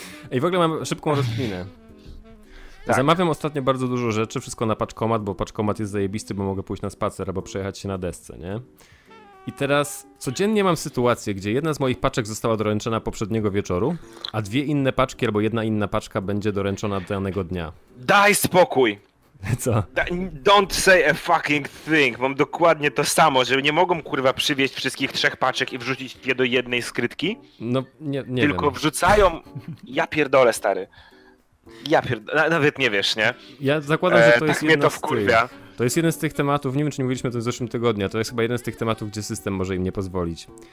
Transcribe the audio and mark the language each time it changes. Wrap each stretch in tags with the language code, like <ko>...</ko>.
<pl>Ej, w ogóle mam szybką rozkminę. Tak. Zamawiam ostatnio bardzo dużo rzeczy, wszystko na paczkomat, bo paczkomat jest zajebisty, bo mogę pójść na spacer albo przejechać się na desce, nie? I teraz codziennie mam sytuację, gdzie jedna z moich paczek została doręczona poprzedniego wieczoru, a dwie inne paczki albo jedna inna paczka będzie doręczona danego dnia. Daj spokój! Co?</pl> <en>Don't say a fucking thing.</en> <pl>Mam dokładnie to samo, że nie mogą kurwa przywieźć wszystkich trzech paczek i wrzucić je do jednej skrytki. No, nie tylko wiem. Wrzucają. Ja pierdolę, stary. Ja pierdolę. Nawet nie wiesz, nie? Ja zakładam, że to jest tak jeden to wkurwia. To jest jeden z tych tematów. Nie wiem, czy nie mówiliśmy o tym w zeszłym tygodniu. To jest chyba jeden z tych tematów, gdzie system może im nie pozwolić.</pl>